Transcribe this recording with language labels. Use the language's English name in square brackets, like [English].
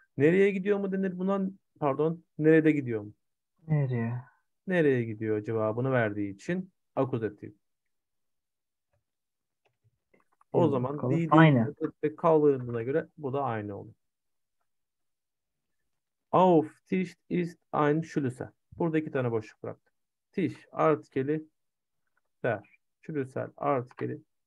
[Turkish] Nereye gidiyor mu denir buna? Pardon. Nerede gidiyor mu? Nereye? Nereye gidiyor cevabını verdiği için akuzatif. O Bir zaman bakalım. D'nin Aynı. kaldığına göre bu da aynı oluyor. [German] Auf Tisch ist ein Schlüssel. [Turkish] Burada iki tane boşluk bıraktık. Tisch artikeli der. Schlüssel artikeli.